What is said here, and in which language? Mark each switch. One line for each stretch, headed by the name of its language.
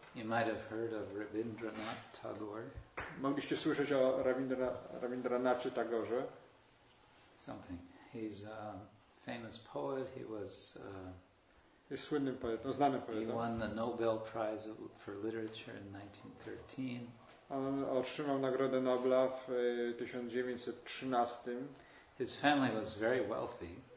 English: You might have heard of Rabindranath Tagore.
Polish: Mogliście słyszeć o Rabindranathie Tagorze.
English: Something. He's a famous poet. He was
Polish: jest słynnym poetą, znanym poetą.
English: He won the Nobel Prize for Literature in 1913.
Polish: On otrzymał Nagrodę Nobla w 1913.
English: His family was very wealthy.